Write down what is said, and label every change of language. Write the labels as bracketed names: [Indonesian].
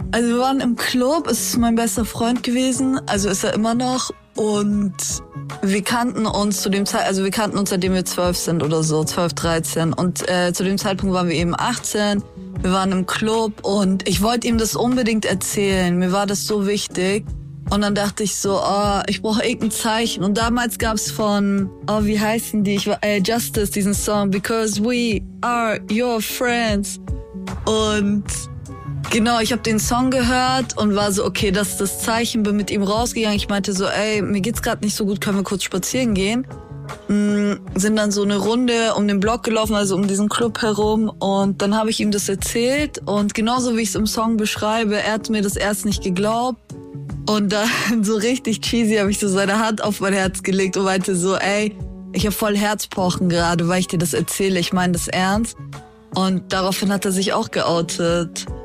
[German] Also wir waren im Club, es ist mein bester Freund gewesen, also ist er immer noch und wir kannten uns zu dem Zeitpunkt, also wir kannten uns seitdem wir 12 sind oder so, 12, 13 und zu dem Zeitpunkt waren wir eben 18. Wir waren im Club und ich wollte ihm das unbedingt erzählen. Mir war das so wichtig. Und dann dachte ich so, oh, ich brauche irgendein Zeichen. Und damals gab es von, oh, wie heißen die? Justice, diesen Song. [English] Because we are your friends. [German] Und genau, ich habe den Song gehört und war so, okay, das ist das Zeichen. Bin mit ihm rausgegangen. Ich meinte so, ey, mir geht's gerade nicht so gut. Können wir kurz spazieren gehen? Sind dann so eine Runde um den Block gelaufen, also um diesen Club herum und dann habe ich ihm das erzählt und genauso wie ich es im Song beschreibe, er hat mir das erst nicht geglaubt und dann so richtig cheesy habe ich so seine Hand auf mein Herz gelegt und meinte so, ey, ich habe voll Herzpochen gerade, weil ich dir das erzähle, ich meine das ernst und daraufhin hat er sich auch geoutet.